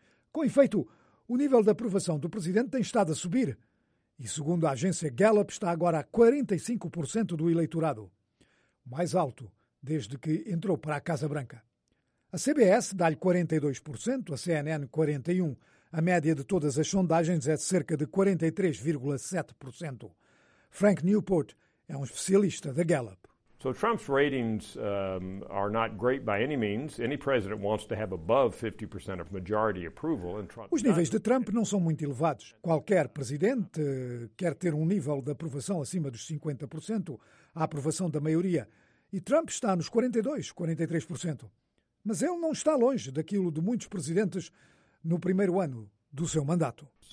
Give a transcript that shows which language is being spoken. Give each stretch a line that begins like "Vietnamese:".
Portuguese: Com efeito, o nível de aprovação do presidente tem estado a subir e, segundo a agência Gallup, está agora a 45% do eleitorado, mais alto desde que entrou para a Casa Branca. A CBS dá-lhe 42%, a CNN 41%. A média de todas as sondagens é de cerca de 43,7%. Frank Newport é um especialista da Gallup.
English: So Trump's ratings are not great by any means. Any president wants to have above 50% of majority approval.
Portuguese: Os níveis de Trump não são muito elevados. Qualquer presidente quer ter um nível de aprovação acima dos 50%, a aprovação da maioria. E Trump está nos 42, 43%. Mas ele não está longe daquilo de muitos presidentes no primeiro ano do seu mandato.